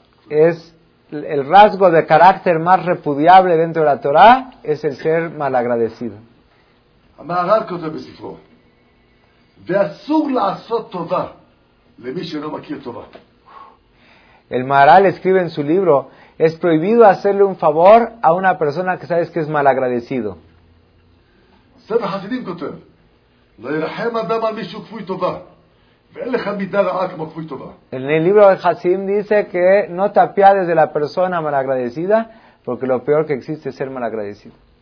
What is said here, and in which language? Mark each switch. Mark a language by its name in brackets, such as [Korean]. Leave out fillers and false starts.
[Spanish] Es el rasgo de carácter más repudiable dentro de la Torá es el ser malagradecido. [Hebrew] המערב כותב בספרו, ואסור לעשות טובה למי שלא מכיר טובה. [Spanish] El Maharal escribe en su libro, es prohibido hacerle un favor a una persona que sabes que es malagradecido. [Hebrew] Sefer Hasidim כותב, לא ירחם אדם על מישהו כפוי טובה. [Spanish] En el libro de Hasim dice que no te apiades de la persona malagradecida, porque lo peor que existe es ser malagradecido.